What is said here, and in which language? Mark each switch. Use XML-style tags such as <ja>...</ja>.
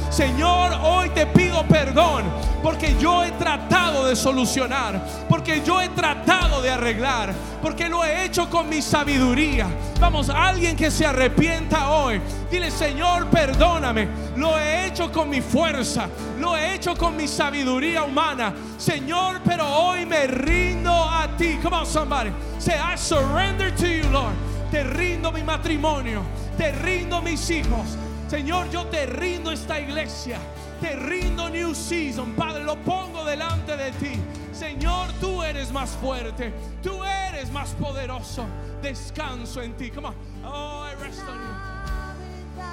<es>Señor, hoy te pido perdón porque yo he tratado de solucionar, porque yo he tratado de arreglar, porque lo he hecho con mi sabiduría. Vamos, alguien que se arrepienta hoy, dile: Señor, perdóname, lo he hecho con mi fuerza, lo he hecho con mi sabiduría humana, Señor, pero hoy me rindo a ti.</es> <en>Come on, somebody, say: I surrender to you, Lord.</en> <es>Te rindo mi matrimonio, te rindo mis hijos, Señor, yo te rindo esta iglesia, te rindo New Season. Padre, lo pongo delante de ti. Señor, tú eres más fuerte, tú eres más poderoso. Descanso en ti.</es> <en>Come on. Oh, I rest on you.</en>